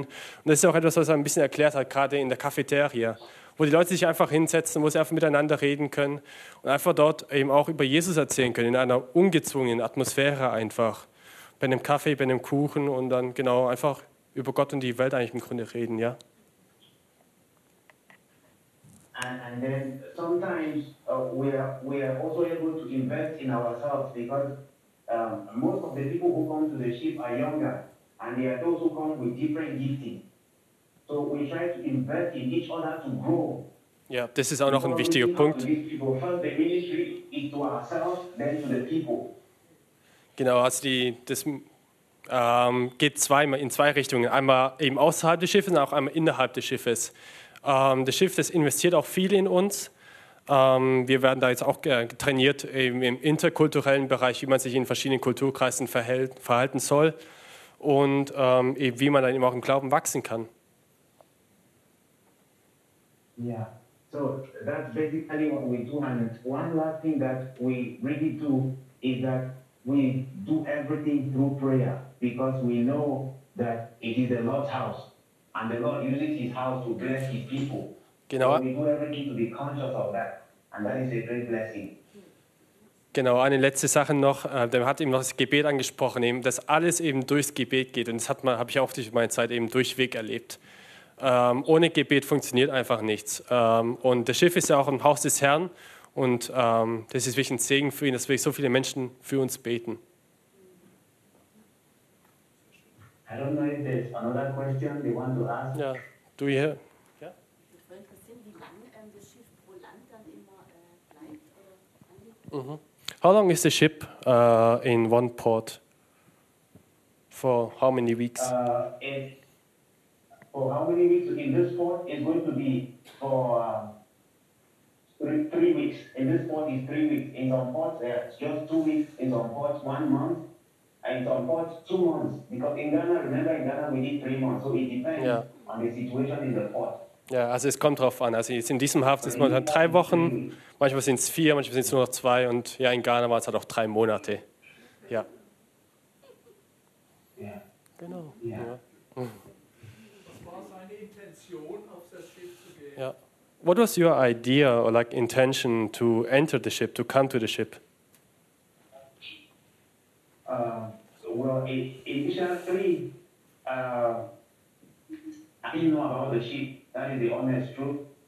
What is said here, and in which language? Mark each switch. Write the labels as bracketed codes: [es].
[de] Und das ist auch etwas, was er ein bisschen erklärt hat, gerade in der Cafeteria, wo die Leute sich einfach hinsetzen, wo sie einfach miteinander reden können und einfach dort eben auch über Jesus erzählen können, in einer ungezwungenen Atmosphäre einfach. Bei einem Kaffee, bei einem Kuchen und dann genau einfach über Gott und die Welt eigentlich im Grunde reden, ja. [en] And then sometimes we are also able to invest in ourselves, because most of the people who come to the ship are younger, and they are those who come with different gifting. So we try to invest in each other to grow. Yeah, this is [de] auch noch ein wichtiger Punkt. [en] First, the ministry is to ourselves, then to the people. [de] Genau, also das geht zweimal in zwei Richtungen. Einmal eben außerhalb des Schiffes und auch einmal innerhalb des Schiffes. Das Schiff, das investiert auch viel in uns. Wir werden da jetzt auch trainiert im interkulturellen Bereich, wie man sich in verschiedenen Kulturkreisen verhalten soll und eben wie man dann eben auch im Glauben wachsen kann. [en] Ja, yeah. So that's basically what we do. And one last thing that we really do is that we do everything through prayer, because we know that it is the Lord's house. And the Lord uses his house to bless his people. [de] Genau. [en] So we do everything to be conscious of that. And that is a great blessing. [de] Genau, eine letzte Sache noch. Der hat eben noch das Gebet angesprochen, eben, dass alles eben durchs Gebet geht. Und das habe ich auch durch meine Zeit eben durchweg erlebt. Ohne Gebet funktioniert einfach nichts. Und das Schiff ist ja auch im Haus des Herrn. Und das ist wirklich ein Segen für ihn, dass wirklich so viele Menschen für uns beten. [en] I don't know if there's another question they want to ask. [de] Ja, du hier. Ja? Ich würde interessieren, wie lang das Schiff pro Land dann immer bleibt oder angeht. Mhm. [en] How long is the ship in one port? For how many weeks? For how many weeks in this port is going to be for 3 weeks. In this port is 3 weeks. In some ports, just 2 weeks. In some ports, 1 month. And some ports, 2 months. Because in Ghana, remember, in Ghana we need 3 months. So it depends on the situation in the port. [de] Ja, also es kommt drauf an. Also jetzt in diesem Hafen ist man dann 3 Wochen, manchmal sind es 4, manchmal sind es nur noch 2 und ja, in Ghana war es halt auch 3 Monate. Ja. Ja. Genau. Ja. Was war seine Intention, auf das Schiff zu gehen? Ja. [en] What was your idea or like intention to enter the ship, to come to the ship? I didn't know about the ship. That is the honest truth.